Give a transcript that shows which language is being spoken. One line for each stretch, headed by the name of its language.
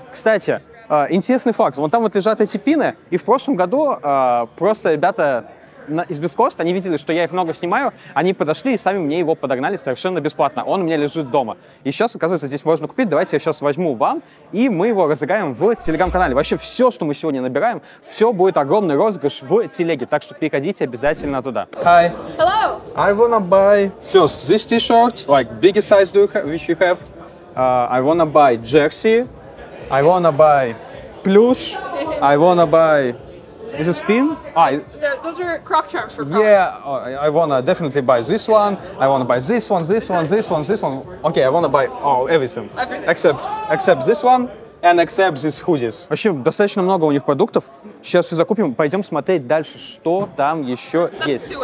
Russian: Кстати, интересный факт. Вон там вот лежат эти пины, и в прошлом году просто ребята из Бескост, они видели, что я их много снимаю, они подошли и сами мне его подогнали совершенно бесплатно. Он у меня лежит дома. И сейчас, оказывается, здесь можно купить. Давайте я сейчас возьму вам, и мы его разыграем в телеграм-канале. Вообще все, что мы сегодня набираем, все будет огромный розыгрыш в телеге, так что переходите обязательно туда.
English: Hi. Hello. I wanna buy first this t-shirt, like biggest size do you have, which you have. I wanna buy jersey. I wanna buy plush. I wanna buy. Is this pin? Those are croc charms for Crocs. Yeah, I wanna definitely buy this one. I wanna buy this one, this one, this one, this one. Okay, I wanna buy everything. Except this one and except these hoodies.
Russian: Вообще достаточно много у них продуктов. Сейчас все закупим, пойдем смотреть дальше, что там еще есть.